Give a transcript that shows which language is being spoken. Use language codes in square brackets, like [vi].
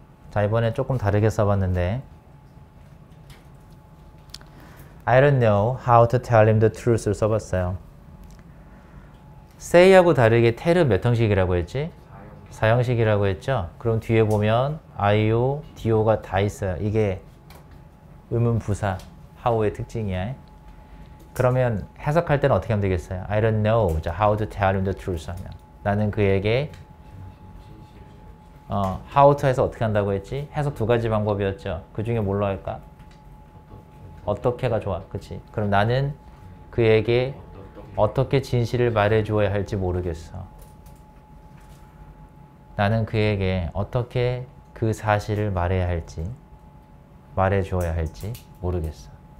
[ko] 자, 이번에 조금 다르게 써봤는데 [en] I don't know how to tell him the truth [ko] 를 써봤어요. say하고 다르게 tell은 몇 형식이라고 했지? 4형식이라고 했죠? 그럼 뒤에 보면 IO, DO가 다 있어요. 이게 의문부사, how의 특징이야. 그러면 해석할 때는 어떻게 하면 되겠어요? [en] I don't know. How to tell him the truth [ko] 하면 나는 그에게 how to 해서 어떻게 한다고 했지? 해석 두 가지 방법이었죠. 그 중에 뭘로 할까? 어떻게가 좋아. 그치? 그럼 나는 그에게 어떻게 진실을 말해줘야 할지 모르겠어. 나는 그에게 어떻게 그 사실을 말해야 할지 말해줘야 할지 모르겠어.